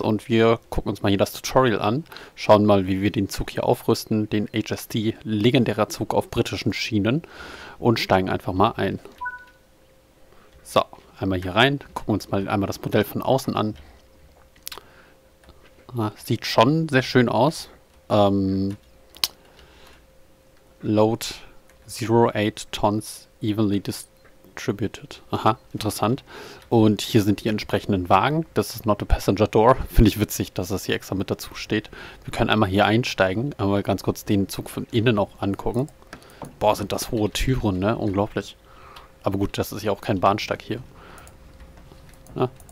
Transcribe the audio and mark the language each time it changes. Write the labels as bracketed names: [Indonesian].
[German] Und wir gucken uns mal hier das Tutorial an, schauen mal, wie wir den Zug hier aufrüsten, den HST, legendärer Zug auf britischen Schienen, und steigen einfach mal ein. So, einmal hier rein, gucken uns mal einmal das Modell von außen an. Sieht schon sehr schön aus. [English] Load 08 tons evenly distributed. [German] Aha, interessant. Und hier sind die entsprechenden Wagen. Das ist [English] not a passenger door. [German] Finde ich witzig, dass das hier extra mit dazu steht. Wir können einmal hier einsteigen. Einmal ganz kurz den Zug von innen auch angucken. Boah, sind das hohe Türen, ne? Unglaublich. Aber gut, das ist ja auch kein Bahnsteig hier. Ja.